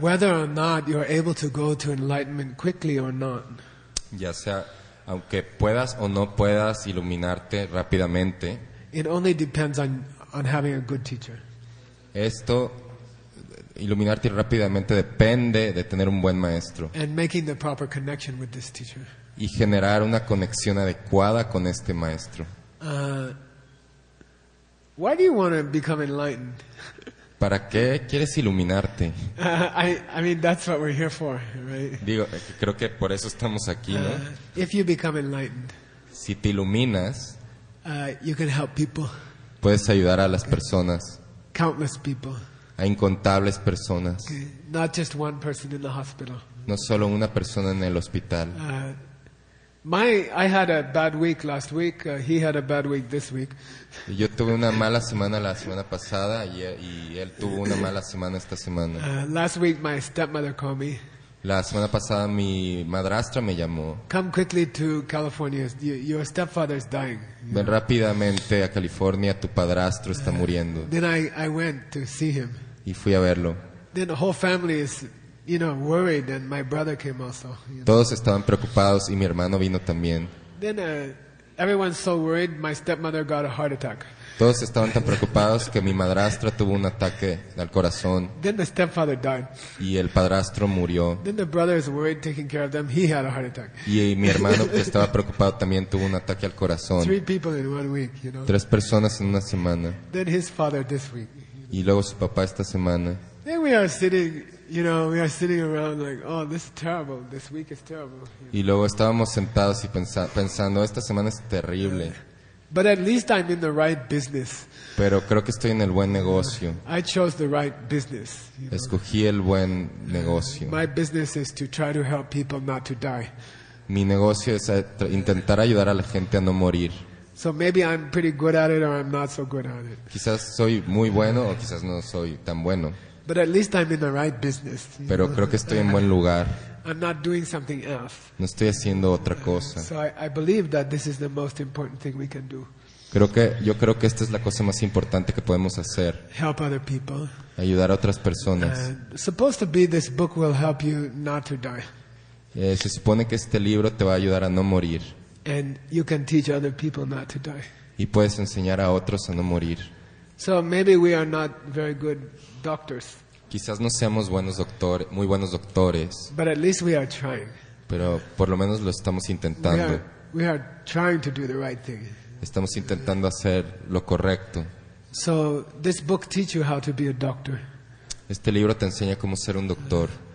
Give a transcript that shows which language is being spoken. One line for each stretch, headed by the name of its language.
English: Whether or not you are able to go to enlightenment quickly or not.
Spanish: ya sea aunque puedas o no puedas iluminarte rápidamente.
English: It only depends on having a good teacher.
Spanish: Esto, iluminarte rápidamente, depende de tener un buen maestro.
English: And making the proper connection with this teacher.
Spanish: Y generar una conexión adecuada con este maestro.
English: Why do you want to become enlightened?
Spanish: ¿Para qué quieres iluminarte?
English: I mean, that's what we're here for, right?
Spanish: Digo, creo que por eso estamos aquí, ¿no?
English: If you become enlightened,
Spanish: si te iluminas,
English: you can help people.
Spanish: Puedes ayudar a las personas.
English: Countless people.
Spanish: A incontables personas.
English: Okay. Not just one person in the hospital.
Spanish: No solo una persona en el hospital.
English: I had a bad week last week. He had a bad week this week.
Spanish: Yo tuve una mala semana la semana pasada y él tuvo una mala semana esta semana.
English: Last week my stepmother called me.
Spanish: La semana pasada mi madrastra me llamó.
English: Come quickly to California. Your stepfather is dying.
Spanish: Ven rápidamente a California. Tu padrastro está muriendo.
English: Then I went to see him.
Spanish: Y fui a verlo.
English: Then the whole family is, you know, worried, and my brother came also.
Spanish: Todos estaban preocupados y mi hermano vino también.
English: Then everyone's so worried, my stepmother got a heart attack.
Spanish: Todos estaban tan preocupados que mi madrastra tuvo un ataque al corazón.
English: Then the stepfather died.
Spanish: Y el padrastro murió.
English: Then the brother is worried taking care of them. He had a heart attack.
Spanish: Y mi hermano que estaba preocupado también tuvo un ataque al corazón.
English: Three people in 1 week, you know.
Spanish: Tres personas en una semana.
English: Then his father this week.
Spanish: Y luego su papá esta semana.
English: Then we are sitting. You know, we are sitting around like, oh, this is terrible. This week is terrible.
Spanish: Y luego estábamos sentados y pensando, esta semana es terrible.
English: But at least I'm in the right business.
Spanish: Pero creo que estoy en el buen negocio.
English: I chose the right business.
Spanish: Escogí el buen negocio.
English: My business is to try to help people not to die.
Spanish: Mi negocio es intentar ayudar a la gente a no morir.
English: So maybe I'm pretty good at it or I'm not so good at it.
Spanish: Quizás soy muy bueno o quizás no soy tan bueno.
English: But at least I'm in the right business.
Spanish: Pero creo que estoy en buen lugar.
English: I'm not doing something else.
Spanish: No estoy haciendo otra cosa.
English: So I believe that this is the most important thing we can do.
Spanish: Creo que esta es la cosa más importante que podemos hacer.
English: Help other people.
Spanish: Ayudar a otras personas.
English: Supposed to be this book will help you not to die.
Spanish: Se supone que este libro te va a ayudar a no morir.
English: And you can teach other people not to die.
Spanish: Y puedes enseñar a otros a no morir.
English: So maybe we are not very good doctors.
Spanish: Quizás no seamos muy buenos doctores.
English: But at least we are trying.
Spanish: Pero por lo menos lo estamos intentando.
English: We are trying to do the right thing.
Spanish: Estamos intentando hacer lo correcto.
English: So this book teach you how to be a doctor.
Spanish: Este libro te enseña cómo ser un doctor.